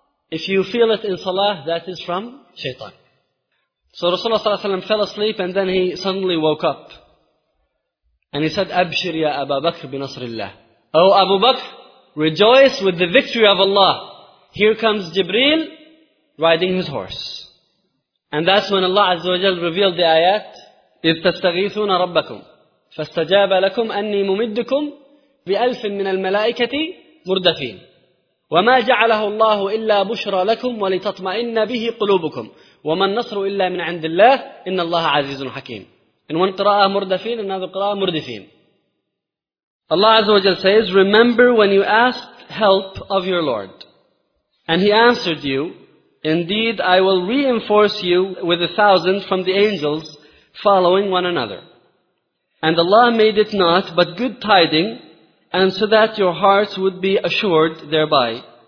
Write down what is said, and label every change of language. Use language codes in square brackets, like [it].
[en] If you feel it in salah, that is from shaitan. So Rasulullah ﷺ fell asleep and then he suddenly woke up. And he said, [ar] Abshir ya Abu Bakr bi nasrillah. [en] O Abu Bakr, rejoice with the victory of Allah. Here comes Jibreel riding his horse. [ar] And that's when Allah Azza wa Jal revealed the ayat, إِذْ تَسْتَغِيثُونَ رَبَّكُمْ فَاسْتَجَابَ لَكُمْ أَنِّي مُمِدُّكُمْ بِأَلْفٍ مِّنَ الْمَلَائِكَةِ مُرْدَفِينَ وَمَا جَعَلَهُ اللَّهُ إِلَّا بُشْرَى لَكُمْ وَلِتَطْمَئِنَّ بِهِ قُلُوبُكُمْ وَمَنْ نَصْرُ إِلَّا مِنْ عِنْدِ اللَّهِ إِنَّ اللَّهَ عَزِيزٌ حَكِيمٌ [en] In one qira'ah murdafin, another qira'ah murdifin. Allah Azza wa Jal says, Remember when you asked help of your Lord. And He answered you, Indeed, I will reinforce you with 1,000 from the angels following one another. And Allah made it not but good tiding, and so that your hearts would be assured thereby.